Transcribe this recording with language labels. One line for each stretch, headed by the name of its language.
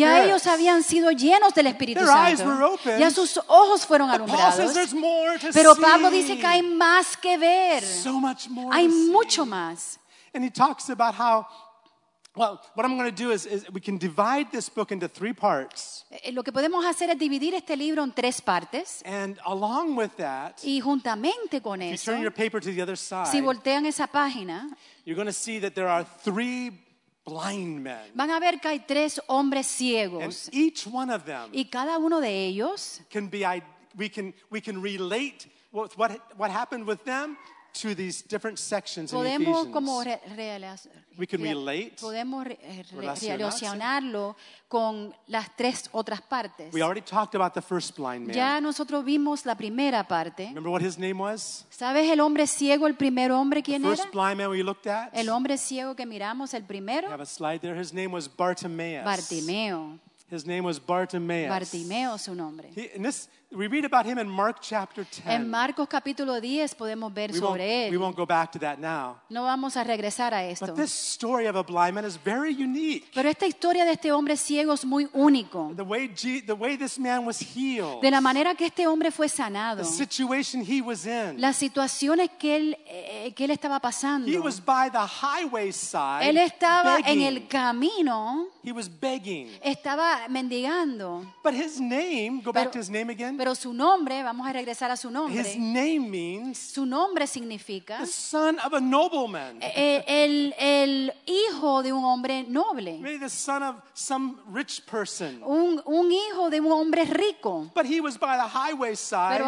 Spanish: Ya ellos habían sido llenos del Espíritu
English: Their Eyes were open.
Spanish: Ya sus ojos fueron alumbrados.
English: But Paul says there's more to
Spanish: Pero Pablo
English: see.
Spanish: Dice que hay más que ver.
English: So much more
Spanish: hay
English: to
Spanish: mucho
English: see.
Spanish: Más.
English: And he talks about how Well, what I'm going to do is we can divide this book into three parts.
Spanish: Lo que podemos hacer es dividir este libro en tres partes.
English: And along with that,
Spanish: y juntamente con
English: if
Spanish: eso,
English: you turn your paper to the other side,
Spanish: si voltean esa página,
English: you're going to see that there are three blind men.
Spanish: Van a ver que hay tres hombres ciegos.
English: And each one of them,
Spanish: y cada uno de ellos,
English: can be we can relate with what happened with them. To these different sections in
Spanish: podemos
English: Ephesians.
Spanish: Como
English: we can relate.
Spanish: Podemos relacionarlo con las tres otras partes.
English: We already talked about the first blind man.
Spanish: Ya nosotros vimos la primera parte.
English: Remember what his name was?
Spanish: ¿Sabes el hombre ciego, el primer hombre, quién
English: the first
Spanish: era?
English: Blind man we looked at?
Spanish: El hombre ciego que miramos, el primero.
English: We have a slide there. His name was Bartimaeus.
Spanish: Bartimeo.
English: His name was Bartimaeus.
Spanish: Bartimeo su nombre.
English: We read about him in Mark chapter 10.
Spanish: En Marcos capítulo 10 podemos ver sobre él.
English: We won't go back to that now.
Spanish: No vamos a regresar a esto.
English: But this story of a blind man is very unique.
Spanish: Pero esta historia de este hombre ciego es muy único.
English: The way this man was healed.
Spanish: De la manera que este hombre fue sanado.
English: The situation he was in.
Spanish: Las situaciones que él estaba pasando.
English: He was by the highway side.
Spanish: Él estaba
English: begging.
Spanish: En el camino.
English: He was begging.
Spanish: Estaba mendigando.
English: But his name, go back to his name again.
Spanish: Pero su nombre, vamos a regresar a su nombre.
English: His name means
Spanish: su nombre significa
English: the son of a nobleman.
Spanish: El hijo de un hombre noble.
English: Maybe the son of some rich person.
Spanish: Un hijo de un hombre rico.
English: But he was by the highway side.